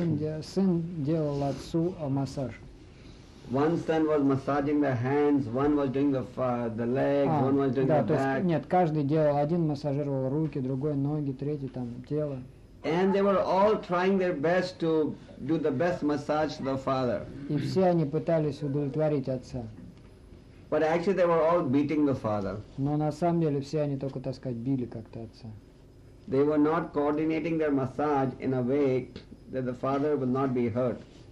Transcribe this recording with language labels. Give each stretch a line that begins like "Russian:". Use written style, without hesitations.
Russian: Один сын делал отцу массаж.
English: One son was massaging the hands, one was doing the legs, one was doing the back.
Russian: Нет, каждый делал, один массажировал руки, другой ноги, третий там тело.
English: And they were all trying their best to do the best massage to the father.
Russian: И все они пытались удовлетворить отца.
English: But actually they were all beating the father.
Russian: Но на самом деле все они только, так сказать, били как-то отца.
English: They were not coordinating their massage in a way that the father would not be hurt.